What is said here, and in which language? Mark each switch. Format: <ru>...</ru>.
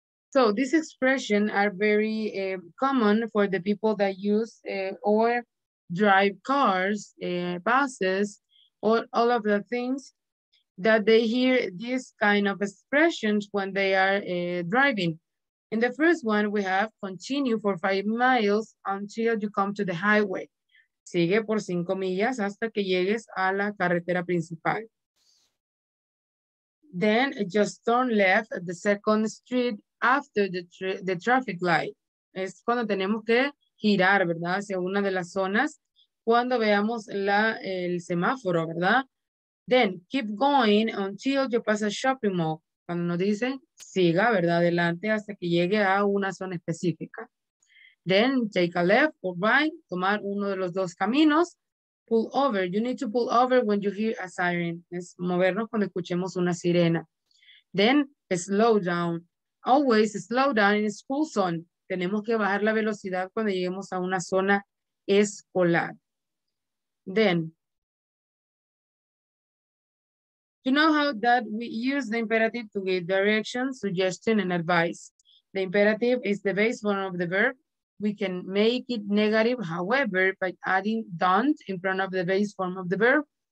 <en>So these expressions are very common for the people that use or drive cars, buses, or all of the things that they hear these kind of expressions when they are driving. In the first one, we have continue for 5 miles until you come to the highway.</en> <es>Sigue por 5 millas hasta que llegues a la carretera principal.</es> <en>Then just turn left at the second street after the traffic light.</en> <es>Es cuando tenemos que girar, ¿verdad? Hacia una de las zonas. Cuando veamos el semáforo, ¿verdad?</es> <en>Then, keep going until you pass a shopping mall.</en> <es>Cuando nos dice, siga, ¿verdad? Adelante hasta que llegue a una zona específica.</es> <en>Then, take a left or right.</en> <es>Tomar uno de los dos caminos.</es> <en>Pull over. You need to pull over when you hear a siren.</en> <es>Es movernos cuando escuchemos una sirena.</es> <en>Then, slow down. Always slow down in school zone.</en> <es>Tenemos que bajar la velocidad cuando lleguemos a una zona escolar.</es> <en>Then, you know how that we use the imperative to give direction, suggestion, and advice. The imperative is the base form of the verb. We can make it negative, however, by adding don't in front of the base form of the verb.</en>